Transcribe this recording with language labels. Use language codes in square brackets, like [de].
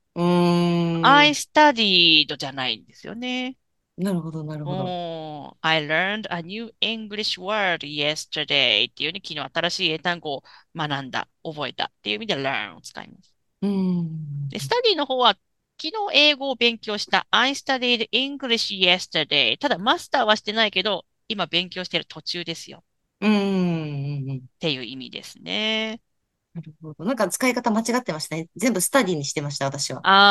[en] I studied [ja] じゃないんですよね。なるほど。 [en] I learned a new English word yesterday [ja] っていうね、昨日新しい英単語を学んだ、覚えたっていう意味で learn を使います。で、study の方は昨日英語を勉強した。 [en] I studied English yesterday。 [ja] ただマスターはしてないけど、今勉強してる途中ですよ。っていう意味ですね。なるほど。なんか使い方間違ってましたね。全部スタディにしてました、私は。